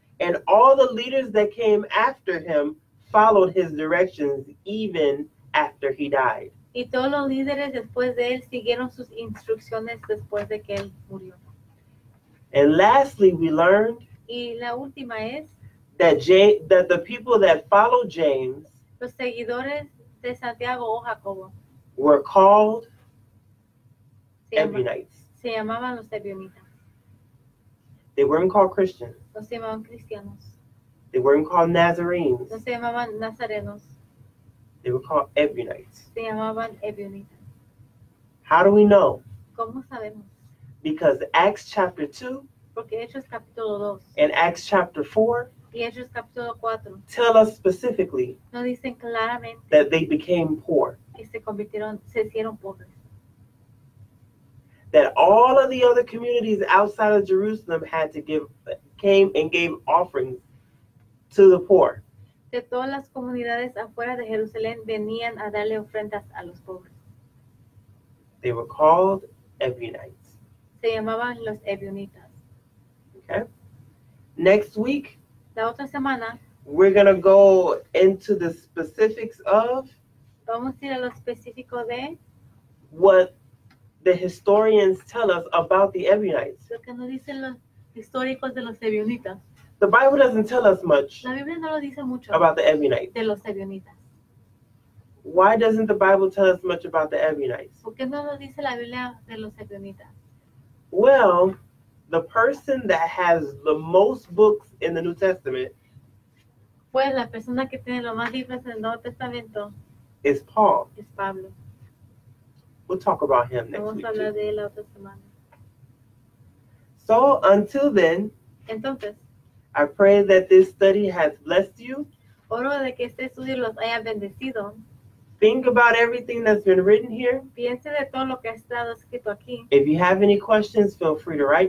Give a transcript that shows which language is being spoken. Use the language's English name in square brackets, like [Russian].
[English] And all the leaders that came after him followed his directions even after he died. [Spanish] Y todos los líderes después de él siguieron sus instrucciones después de que él murió. [English] And lastly, we learned [Spanish] y la última es, [English] that the people that followed James, [Spanish] los seguidores de Santiago o Jacobo, [English] were called Ebionites. [Spanish] Se llamaban los Ebionitas. [English] They weren't called Christians. [Spanish] No se llamaban cristianos. [English] They weren't called Nazarenes. [Spanish] No se llamaban Nazarenos. [English] They were called Ebionites. [Spanish] Se llamaban Ebionitas. [English] How do we know? [Spanish] ¿Cómo sabemos? [English] Because Acts chapter 2 [Spanish] porque Hechos capítulo 2 [English] and Acts chapter 4 [Spanish] y Hechos capítulo 4 [English] tell us specifically [Spanish] nos dicen claramente [English] that they became poor. [Spanish] Que se convirtieron, se hicieron pobres. [English] That all of the other communities outside of Jerusalem had to give, came and gave offerings to the poor. [Spanish] De todas las comunidades afuera de Jerusalén venían a darle ofrendas a los pobres. [English] They were called Ebionites. [Spanish] Se llamaban los Ebionitas. [English] Okay. Next week, [Spanish] la otra semana, [English] we're going to go into the specifics of [Spanish] vamos a ir a lo específico de [English] what the historians tell us about the Ebionites. [Spanish] Lo que nos dicen los históricos de los Ebionitas. [English] The Bible doesn't tell us much [Spanish] la Biblia no lo dice mucho [English] about the Ebionites. [Spanish] De los Ebionitas. [English] why doesn't the Bible tell us much about the Ebionites? [Spanish] ¿Por qué no nos dice la Biblia de los Ebionitas? [English] Well, the person that has the most books in the New Testament, [Spanish] pues la persona que tiene lo más libros en el Nuevo Testamento, [English] is Paul. [Spanish] Es Pablo. [English] We'll talk about him next [Spanish] Vamos [English] week. [Spanish] A hablar de él la otra semana. [English] So, until then, [Spanish] entonces, [English] I pray that this study has blessed you. [Spanish] Oro de que este estudio los haya bendecido. [English] Think about everything that's been written here. [Spanish] Piense de todo lo que ha estado escrito aquí. [English] If you have any questions, feel free to write